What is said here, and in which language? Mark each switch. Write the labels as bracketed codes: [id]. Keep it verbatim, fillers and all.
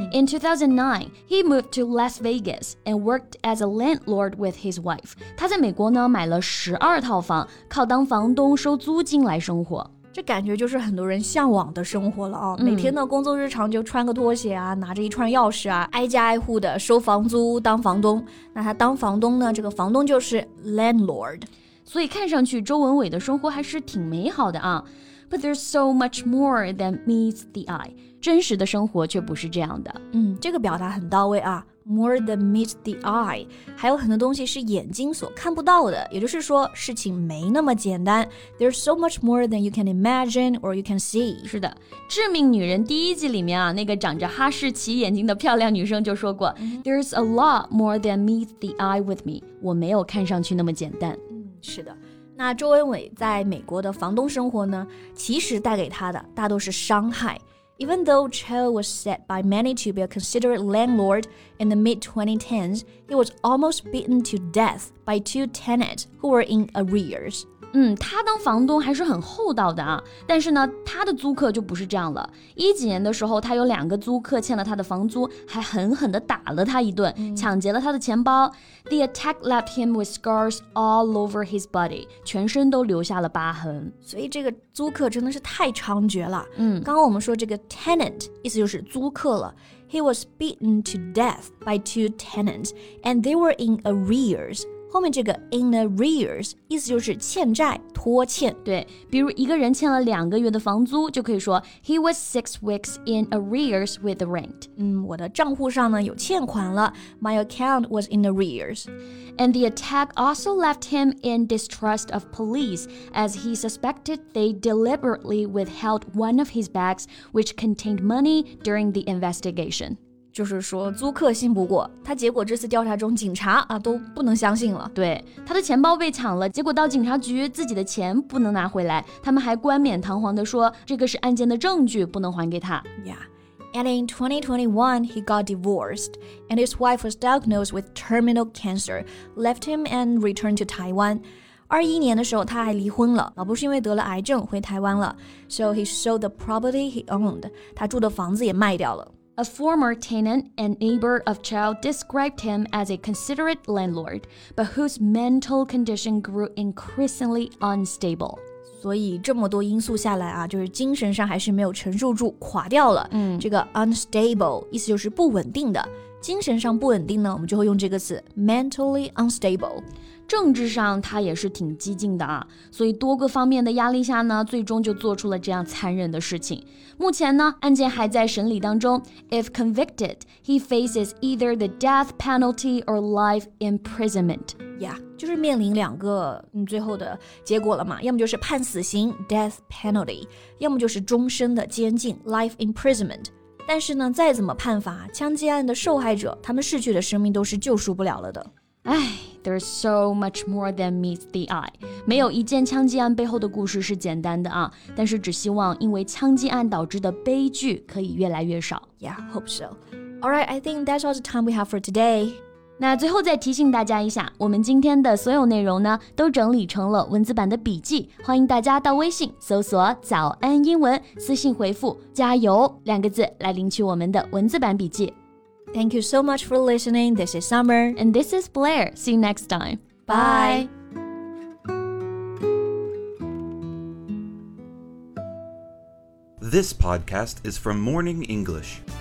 [en] 嗯、In two thousand nine, he moved to Las Vegas and worked as a landlord with his wife. [zh] 他在美国呢买了十二套房，靠当房东收租金来生活。这感觉就是很多人向往的生活了啊、哦嗯！每天的工作日常就穿个拖鞋啊，拿着一串钥匙啊，挨家挨户的收房租当房东。那他当房东呢？这个房东就是 landlord。所以看上去周文伟的生活还是挺美好的啊。 [en] But there's so much more than meets the eye. [zh] 真实的生活却不是这样的。嗯，这个表达很到位啊。more than meets the eye. 还有很多东西是眼睛所看不到的，也就是说事情没那么简单。 [en] There's so much more than you can imagine or you can see. [zh] 是的，致命女人第一季里面啊，那个长着哈士奇眼睛的漂亮女生就说过， [en] There's a lot more than meets the eye with me. [zh] 我没有看上去那么简单。嗯，是的。那周文伟在美国的房东生活呢，其实带给他的大都是伤害。 [en] Even though Cho was said by many to be a considerate landlord in the mid twenty tens, he was almost beaten to death by two tenants who were in arrears. [zh] 嗯，他当房东还是很厚道的啊，但是呢，他的租客就不是这样了。一几年的时候，他有两个租客欠了他的房租，还狠狠地打了他一顿，嗯，抢劫了他的钱包。 [en] The attack left him with scars all over his body, [zh] 全身都留下了疤痕。所以这个租客真的是太猖獗了。嗯，刚刚我们说这个 tenant 意思就是租客了。 [en] He was beaten to death by two tenants, and they were in arrears. [zh] 后面这个 in arrears 意思就是欠债拖欠。对，比如一个人欠了两个月的房租，就可以说 [en] He was six weeks in arrears with the rent. [zh] 嗯，我的账户上呢有欠款了。 [en] My account was in arrears. And the attack also left him in distrust of police, as he suspected they deliberately withheld one of his bags, which contained money during the investigation. [zh] 就是说租客信不过他，结果这次调查中警察啊都不能相信了。对，他的钱包被抢了，结果到警察局自己的钱不能拿回来，他们还冠冕堂皇地说这个是案件的证据，不能还给他。 [en] Yeah. And in twenty twenty-one, he got divorced, and his wife was diagnosed with terminal cancer, left him and returned to Taiwan. [zh] 二一年的时候他还离婚了，老婆是因为得了癌症回台湾了。 [en] So he sold the property he owned. [zh] 他住的房子也卖掉了。 [en] A former tenant and neighbor of Chow described him as a considerate landlord, but whose mental condition grew increasingly unstable. [zh] 所以这么多因素下来啊，就是精神上还是没有承受住，垮掉了。嗯，这个 unstable 意思就是不稳定的，精神上不稳定呢，我们就会用这个词 mentally unstable。政治上他也是挺激进的啊，所以多个方面的压力下呢，最终就做出了这样残忍的事情。目前呢，案件还在审理当中。 [en] If convicted, he faces either the death penalty or life imprisonment. [zh] Yeah, 就是面临两个嗯最后的结果了嘛，要么就是判死刑 death penalty， 要么就是终身的监禁 life imprisonment。但是呢，再怎么判罚，枪击案的受害者他们逝去的生命都是救赎不了了的。 [en] 唉， there's so much more than meets the eye. [zh] 没有一件枪击案背后的故事是简单的啊，但是只希望因为枪击案导致的悲剧可以越来越少。 [en] Yeah, hope so. All right, I think that's all the time we have for today. [zh] 那最后再提醒大家一下，我们今天的所有内容呢，都整理成了文字版的笔记，欢迎大家到微信搜索早安英文，私信回复加油两个字来领取我们的文字版笔记。 [en] Thank you so much for listening. This is Summer. And this is Blair. See you next time. Bye. This podcast is from Morning English.